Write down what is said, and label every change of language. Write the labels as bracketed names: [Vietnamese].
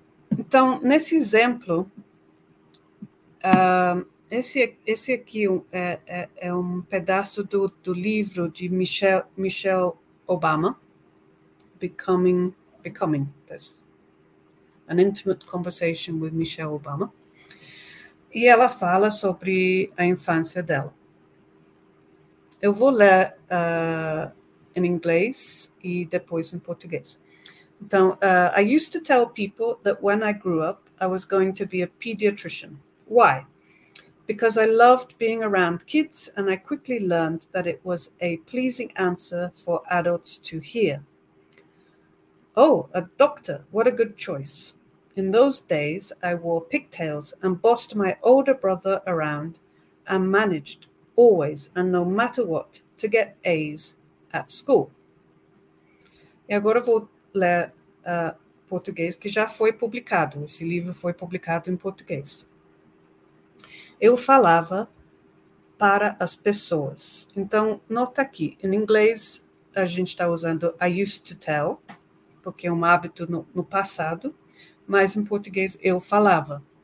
[Portuguese] Então, nesse exemplo, esse aqui é um pedaço do livro de Michelle Obama, Becoming This, An Intimate Conversation with Michelle Obama. E ela fala sobre a infância dela. Eu vou ler em inglês e depois em português. Então, [English] I used to tell people that when I grew up, I was going to be a pediatrician. Why? Because I loved being around kids, and I quickly learned that it was a pleasing answer for adults to hear. Oh, a doctor, what a good choice. In those days, I wore pigtails and bossed my older brother around and managed always and no matter what to get A's at school. [Portuguese] E agora vou ler português, que já foi publicado. Esse livro foi publicado em português. Eu falava para as pessoas. Então, nota aqui, em inglês a gente está usando [English] I used to tell, [Portuguese] porque é um hábito no passado, mas em português eu falava.